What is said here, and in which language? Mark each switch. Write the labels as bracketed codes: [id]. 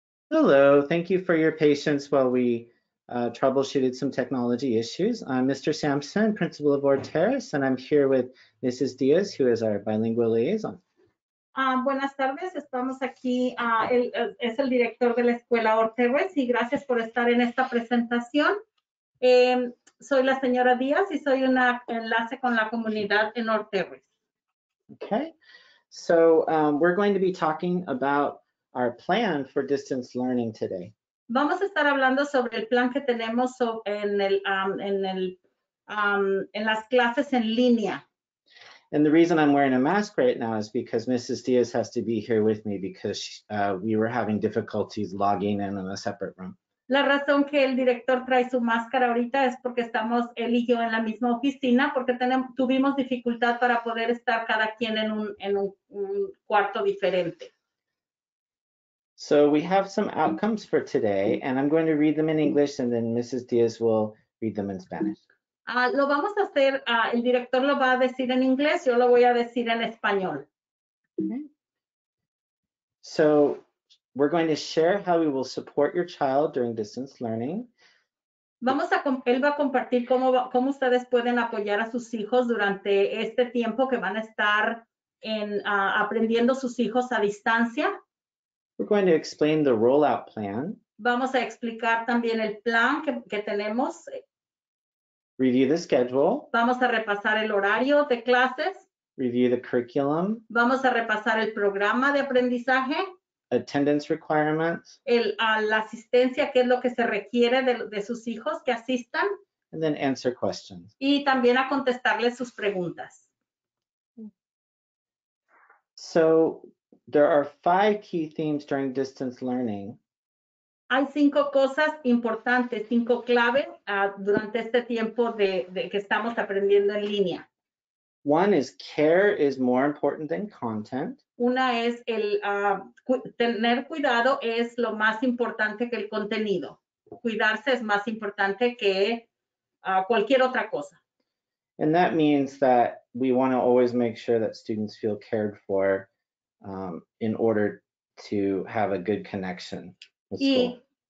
[en] Hello, thank you for your patience while we troubleshooted some technology issues. I'm Mr. Sampson, principal of Board Terrace, and I'm here with Mrs. Diaz, who is our bilingual liaison. [es] Buenas tardes, estamos aquí, es el director de la escuela Terrace y gracias por estar en esta presentación. Soy la señora Díaz y soy un enlace con la comunidad en Terrace. [en] Okay, we're going to be talking about our plan for distance learning today. [es] Vamos a estar hablando sobre el plan que tenemos en las clases en línea. [en] And the reason I'm wearing a mask right now is because Mrs. Diaz has to be here with me because we were having difficulties logging in a separate room. [es] La razón que el director trae su máscara ahorita es porque estamos él y yo en la misma oficina, porque tuvimos dificultad para poder estar cada quien en un cuarto diferente. [en] So we have some outcomes for today, and I'm going to read them in English, and then Mrs. Diaz will read them in Spanish. [es] Lo vamos a hacer, el director lo va a decir en inglés, yo lo voy a decir en español. [en] So we're going to share how we will support your child during distance learning. [es] Vamos a él va a compartir cómo ustedes pueden apoyar a sus hijos durante este tiempo que van a estar en aprendiendo sus hijos a distancia. [en] We're going to explain the rollout plan. [es] Vamos a explicar también el plan que tenemos. [en] Review the schedule. [es] Vamos a repasar el horario de clases. [en] Review the curriculum. [es] Vamos a repasar el programa de aprendizaje. [en] Attendance requirements. [es] La asistencia, qué es lo que se requiere de sus hijos que asistan. [en] And then answer questions. [es] Y también a contestarles sus preguntas. [en] So there are five key themes during distance learning. [es] Hay cinco cosas importantes, cinco claves durante este tiempo de que estamos aprendiendo en línea. [en] One is care is more important than content. [es] Una es el tener cuidado es lo más importante que el contenido. Cuidarse es más importante que cualquier otra cosa. [en] And that means that we want to always make sure that students feel cared for in order to have a good connection with school.